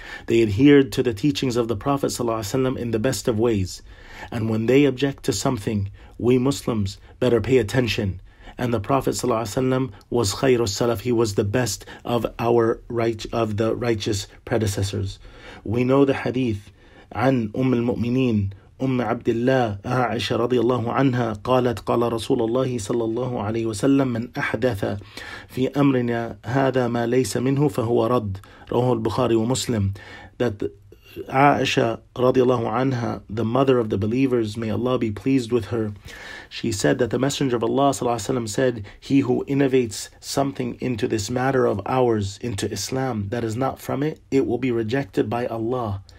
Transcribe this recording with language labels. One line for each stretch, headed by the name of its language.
English: They adhered to the teachings of the Prophet ﷺ in the best of ways. And when they object to something, we Muslims better pay attention. And the Prophet ﷺ was khayr al-salaf. He was the best of the righteous predecessors. We know the hadith.
Arabic: عن أم المؤمنين أم عبد الله عائشة رضي الله عنها قالت قال رسول الله صلى الله عليه وسلم من أحدث في أمرنا هذا ما ليس منه فهو رد. رواه البخاري ومسلم.
English: That Aisha radiallahu anha, the mother of the believers, may Allah be pleased with her, she said that the Messenger of Allah sallallahu alaihi wasallam said, he who innovates something into this matter of ours, into Islam, that is not from it, it will be rejected by Allah.